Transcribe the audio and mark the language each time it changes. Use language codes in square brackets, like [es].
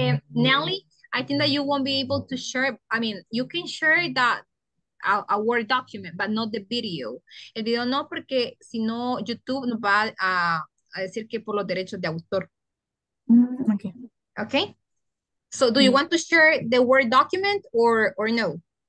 [en] Nelly, I think that you won't be able to share. I mean, you can share that a Word document, but not the video. [es] El video no, porque si no, YouTube nos va a decir que por los derechos de autor. [en] Okay. Okay. So, do you want to share the Word document or no?